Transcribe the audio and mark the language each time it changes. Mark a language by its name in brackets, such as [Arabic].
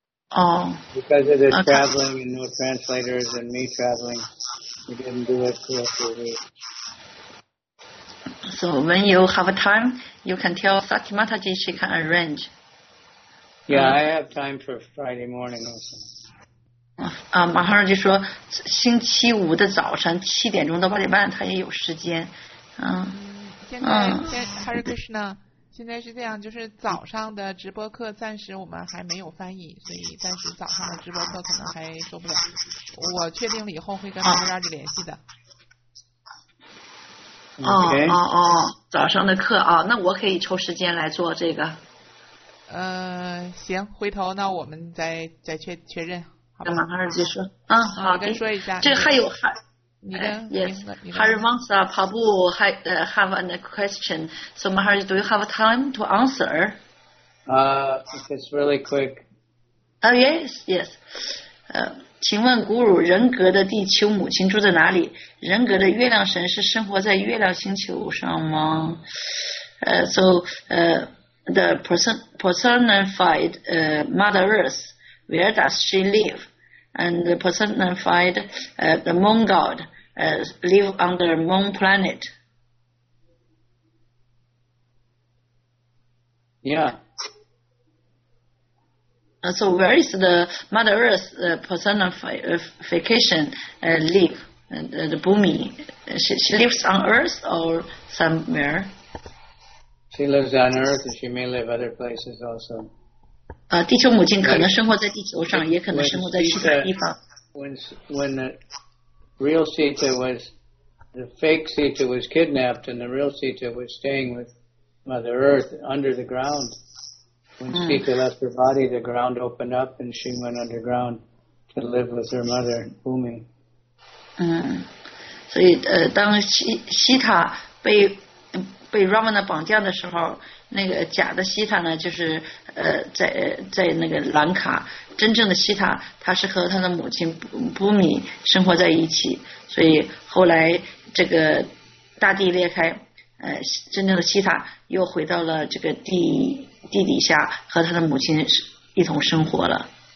[English] Because of the traveling and no translators and me traveling, we didn't do it for a few weeks. So when you have time, you can tell Sati Mataji she can arrange. Yeah, I have time for Friday morning also. [Chinese] 啊，马哈尔就说星期五的早晨七点钟到八点半他也有时间。嗯，现在哈尔克什呢，现在是这样，就是早上的直播课暂时我们还没有翻译，所以暂时早上的直播课可能还说不了，我确定了以后会跟马哈尔联系的。哦哦哦，早上的课啊，那我可以抽时间来做这个。行，回头那我们再确认。好吧，马哈尔就说，好，跟说一下，这还有 [English] Harry wants a Pabu have a question. So Maharaj, do you have time to answer? If it's really quick. Yes. [Chinese] 请问 Guru, 人格的地球母亲住在哪里？人格的月亮神是生活在月亮星球上吗？ [English] The personified Mother Earth, where does she live? And the personified the Moon God. Live on the moon planet. Yeah. So where is the Mother Earth personification live? The Bumi. She lives on Earth or somewhere? She lives on Earth and she may live other places also. [Chinese] 地球母亲可能生活在地球上，也可能生活在其他地方。 [English] Real Sita was, the fake Sita was kidnapped and the real Sita was staying with Mother Earth under the ground. When Sita left her body, the ground opened up and she went underground to live with her mother, Bhumi. [Chinese] 所以当西塔被 Ravana 绑架的时候，那个假的西塔呢，就是在那个兰卡，真正的西塔他是和他的母亲布米生活在一起，所以后来这个大地裂开，真正的西塔又回到了这个地底下和他的母亲一同生活了。